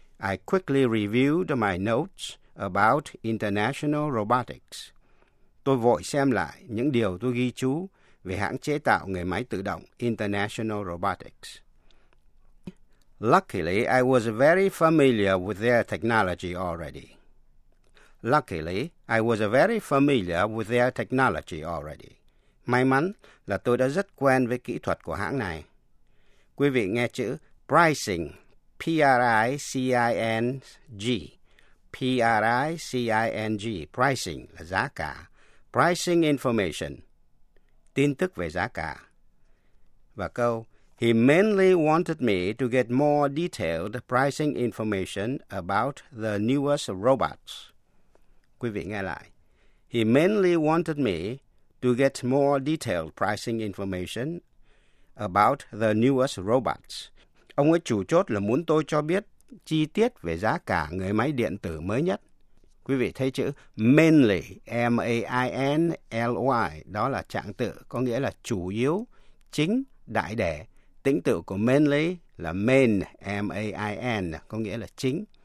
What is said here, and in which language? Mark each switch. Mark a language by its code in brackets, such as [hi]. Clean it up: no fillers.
[en] I quickly reviewed my notes about international robotics. [vi] Tôi vội xem lại những điều tôi ghi chú về hãng chế tạo người máy tự động International Robotics. [en] Luckily, I was very familiar with their technology already. Luckily, I was very familiar with their technology already. [vi] May mắn là tôi đã rất quen với kỹ thuật của hãng này. Quý vị nghe chữ pricing, P-R-I-C-I-N-G. P-R-I-C-I-N-G, pricing là giá cả. [en] Pricing information, [vi] tin tức về giá cả. Và câu, [en] he mainly wanted me to get more detailed pricing information about the newest robots. [vi] Quý vị nghe lại. [en] He mainly wanted me to get more detailed pricing information about the newest robots. [vi] Ông ấy chủ chốt là muốn tôi cho biết chi tiết về giá cả người máy điện tử mới nhất. Quý vị thấy chữ mainly, M-A-I-N-L-Y, đó là trạng tự, có nghĩa là chủ yếu, chính, đại để. Tính tự của mainly là main, M-A-I-N, có nghĩa là chính.